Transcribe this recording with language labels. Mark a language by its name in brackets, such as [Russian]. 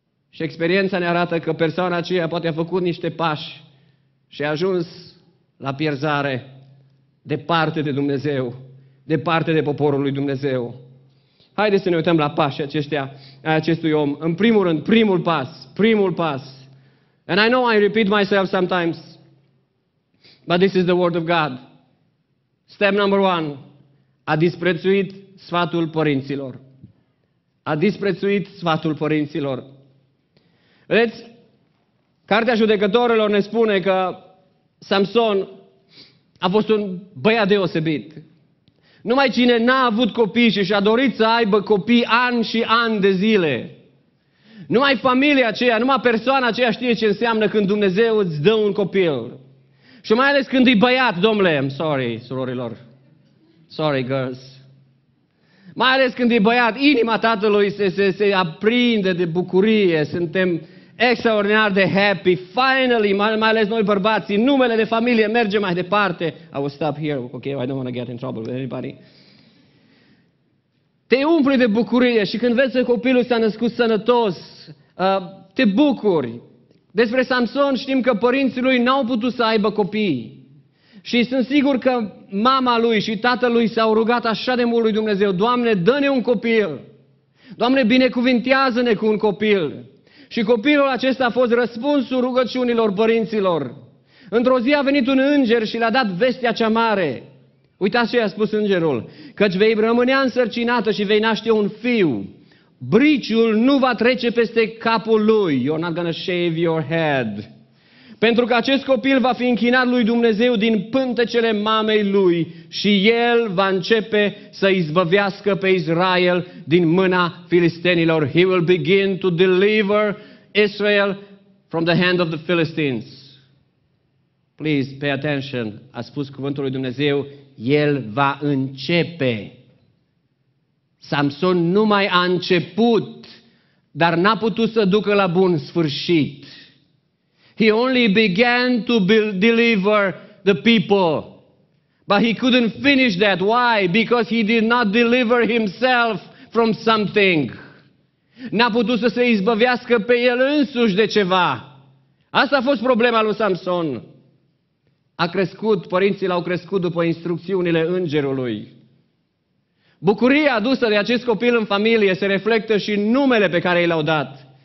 [Romanian] Și experiența ne arată că persoana aceea poate a făcut niște pași și a ajuns la pierzare, departe de Dumnezeu, departe de poporul lui Dumnezeu. Haideți să ne uităm la pașii aceștia, a acestui om. În primul rând, primul pas. [English] And I know I repeat myself sometimes, but this is the word of God. Step number one, [Romanian] a disprețuit sfatul părinților. Vedeți, Cartea Judecătorilor ne spune că Samson a fost un băiat deosebit. Numai cine n-a avut copii și și-a dorit să aibă copii ani și ani de zile. Numai familia aceea, numai persoana aceea știe ce înseamnă când Dumnezeu îți dă un copil. Și mai ales când e băiat, domnule, [English] I'm sorry, [Romanian] surorilor. [English] Sorry, girls. [Romanian] Mai ales când e băiat, inima tatălui se aprinde de bucurie, suntem extraordinar de [English] happy, finally, [Romanian] mai ales noi bărbații, numele de familie merge mai departe. [English] I will stop here, okay, I don't want to get in trouble with anybody. [Romanian] Te umpli de bucurie și când vezi că copilul s-a născut sănătos, te bucuri. Despre Samson știm că părinții lui n-au putut să aibă copii. Și sunt sigur că mama lui și tatălui s-au rugat așa de mult lui Dumnezeu, Doamne, dă-ne un copil! Doamne, binecuvintează-ne cu un copil! Și copilul acesta a fost răspunsul rugăciunilor părinților. Într-o zi a venit un înger și le-a dat vestea cea mare. Uitați ce i-a spus îngerul, căci vei rămâne însărcinată și vei naște un fiu. Briciul nu va trece peste capul lui. [English] You're not gonna shave your head. [Romanian] Pentru că acest copil va fi închinat lui Dumnezeu din pântecele mamei lui și el va începe să izbăvească pe Israel din mâna filistenilor. [English] He will begin to deliver Israel from the hand of the Philistines. Please, pay attention. [Romanian] A spus cuvântul lui Dumnezeu, el va începe. Samson nu mai a început, dar n-a putut să ducă la bun sfârșit. [English] He only began to deliver the people. But he couldn't finish that. Why? Because he did not deliver himself from something. [Romanian] N-a putut să se izbăvească pe el însuși de ceva. Asta a fost problema lui Samson. A crescut, părinții l-au crescut după instrucțiunile îngerului. Bucuria adusă de acest copil în familie se reflectă și în numele pe care i l-au dat.